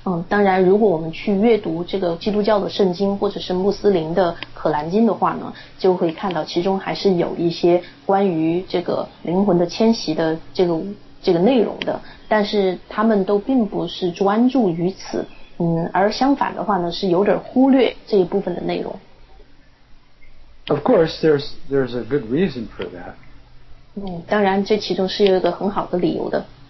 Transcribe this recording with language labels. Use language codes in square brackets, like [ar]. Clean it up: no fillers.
[zh] 当然，如果我们去阅读这个基督教的圣经或者是穆斯林的可兰经的话呢，就会看到其中还是有一些关于这个灵魂的迁徙的这个内容的，但是他们都并不是专注于此，而相反的话呢，是有点忽略这一部分的内容。 [en] Of course, there's a good reason for that. [zh] 当然，这其中是有一个很好的理由的。